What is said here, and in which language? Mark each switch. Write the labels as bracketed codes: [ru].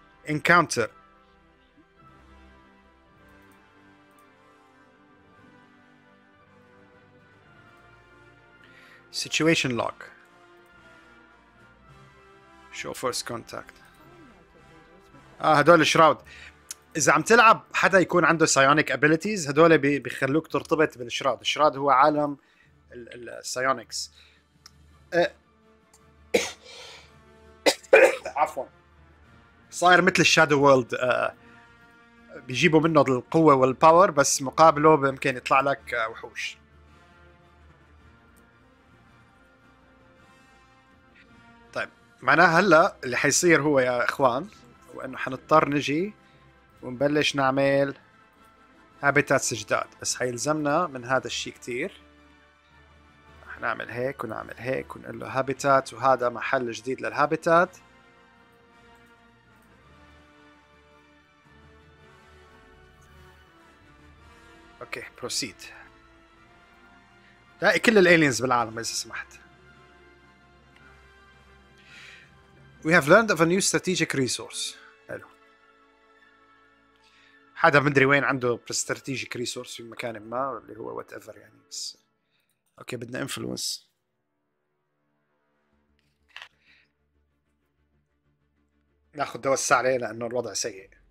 [en] Encounter situation log show first contact. [ar] هدول الشراود اذا عم تلعب حدا يكون عنده سايونيك ابيليتيز هدول بيخلوك ترتبط بالشراود. الشراود هو عالم السايونيكس. عفوا صاير مثل الشادو وورلد بيجيبوا منه القوه والباور بس مقابله ممكن يطلع لك وحوش. معناها هلا اللي حيصير هو يا اخوان وانه حنضطر نجي ونبلش نعمل هابيتاتس جداد بس حيلزمنا من هذا الشيء كتير. رح نعمل هيك ونعمل هيك ونقول له هابيتات وهذا محل جديد للهابيتات. [en] Okay proceed. [ar] لاقي كل الالينز بالعالم اذا سمحت. [en] We have learned of a new strategic resource. [ar] حلو. حدا مدري وين عنده strategic resource في مكان ما اللي هو whatever يعني بس. اوكي بدنا influence. ناخد دواء السعر عليه لأنه الوضع سيء.